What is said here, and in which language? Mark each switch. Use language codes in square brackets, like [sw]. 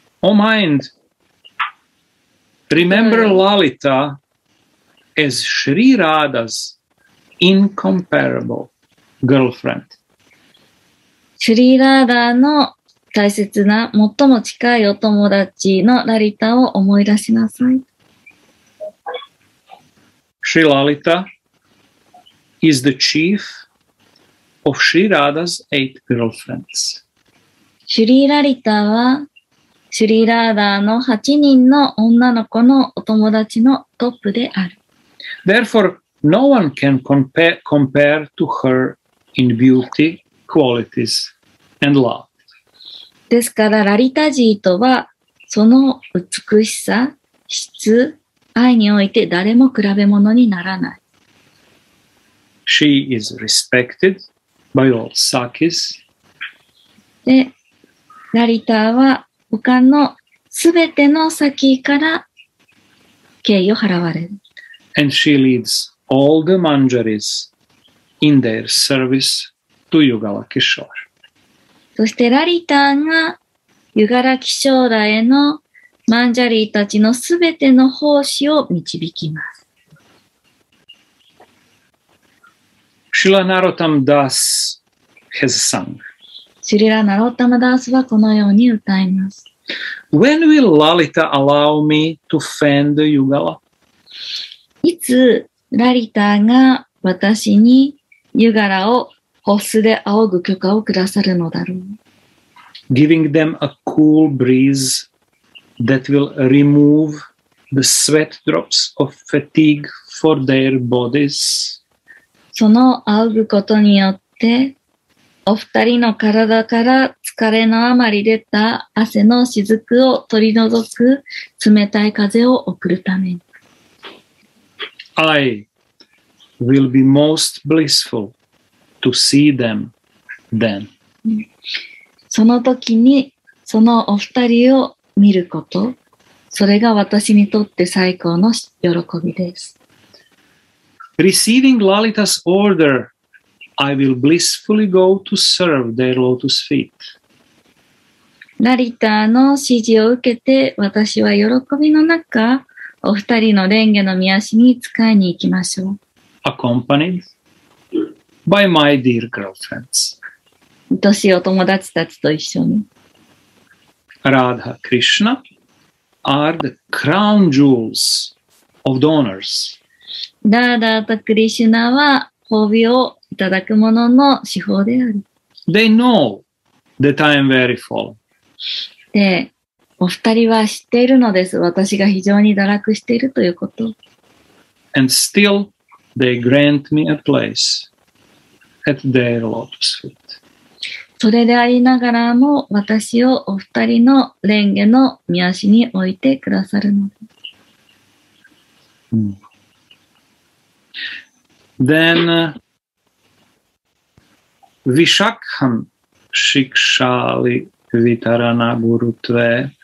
[en] O mind, remember Lalita as Sri Radha's incomparable girlfriend. [ja] シリラーダの大切な最も近いお友達のラリタを思い出しなさい。 [en] シリラリタ is the chief of Sri Radha's eight girlfriends. [ja] シリラリタはシュリーラーダーの8人の女の子のお友達のトップである。 [en] Therefore, no one can compare to her in beauty, qualities, and love. [ja] ですから、ラリタジーとはその美しさ、質、愛において誰も比べ物にならない。 [en] She is respected by all Sakis. [ja] で、ラリタは他のすべての先から敬意を払われる。 [en] And she leads all the manjaris in their service to Yugala Kishora. [ja] そしてラリタがユガラキショーラへのマンジャリーたちのすべての奉仕を導きます。 [en] Srila Narottam Das has sung. [ja] Srila Narottam Das はこのように歌います。 [en] When will Lalita allow me to fan the Yugala? [ja] いつラリタが私にユガラをホスで仰ぐ許可をくださるのだろう。 [en] Giving them a cool breeze that will remove the sweat drops of fatigue for their bodies. [ja] その仰ぐことによってお二人の体から疲れのあまり出た汗の雫を取り除く冷たい風を送るために。 [en] I will be most blissful to see them then. [ja] その時にそのお二人を見ること、それが私にとって最高の喜びです。 [en] Receiving Lalita's order,I will blissfully go to serve their lotus feet. [ja] ラリタの指示を受けて、私は喜びの中、お二人の蓮華の御足に仕えに行きましょう。 [en] Accompanied by my dear girlfriends. [ja] 愛しいお友達たちと一緒に。 [en] Radha Krishna are the crown jewels of donors. [ja] ラーダとクリシュナは褒美をいただくものの手法である。 [en] They know that I am very full. [ja] で、お二人は知っているのです。私が非常に堕落しているということ。 [en] And still they grant me a place at their lotus feet. [ja] それでありながらも私をお二人の蓮華の御足に置いてくださるのです。 [sa] Then, Vishakham Shikshali Vitarana Guru Tve.